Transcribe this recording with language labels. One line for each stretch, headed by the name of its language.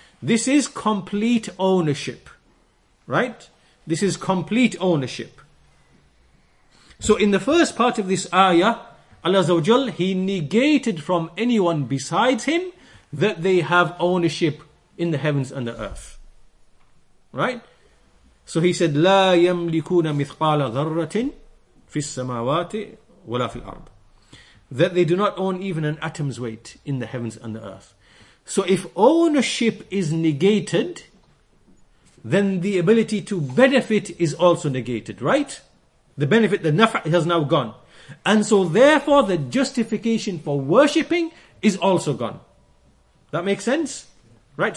English: This is complete ownership. Right? This is complete ownership. So in the first part of this ayah, Allah Azza wa Jal, He negated from anyone besides Him that they have ownership in the heavens and the earth. Right? So He said,
Arabic: لا يملكون مثقال ذرة في السماوات ولا في الأرض.
English: That they do not own even an atom's weight in the heavens and the earth. So if ownership is negated, then the ability to benefit is also negated, right? The benefit, the naf' has now gone. And so therefore the justification for worshipping is also gone. That makes sense? Right?